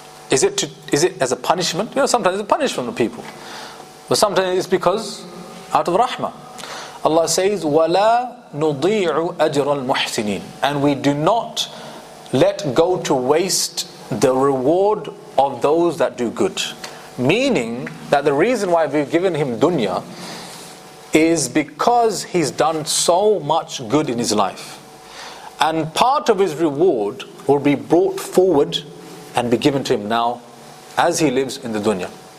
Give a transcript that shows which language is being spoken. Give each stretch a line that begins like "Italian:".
English: Is it as a punishment? You know, sometimes it's a punishment to people. But sometimes it's because out of rahmah. Allah says,
Arabic: وَلَا نُضِيعُ أَجْرَ الْمُحْسِنِينَ.
English: And we do not let go to waste the reward of those that do good. Meaning that the reason why we've given him dunya is because he's done so much good in his life. And part of his reward will be brought forward and be given to him now as he lives in the dunya.